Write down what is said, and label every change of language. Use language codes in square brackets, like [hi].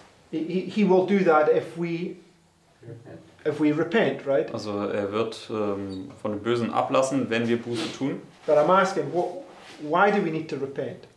[en] He will do that if we repent, right? [de] Also er wird von dem Bösen ablassen, wenn wir Buße tun. [en] But I'm asking, why do we need to repent?